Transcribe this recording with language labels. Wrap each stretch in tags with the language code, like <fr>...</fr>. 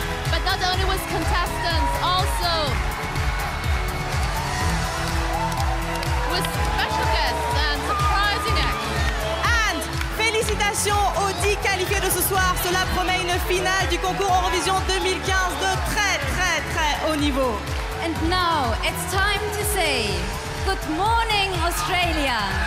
<en>But not only with contestants, also with special guests and surprising acts.</en> <fr>And félicitations aux 10 qualifiés de ce soir. Cela promet une finale du concours Eurovision 2015 de très, très, très haut niveau.</fr> <en>And now it's time to say good morning, Australia.</en>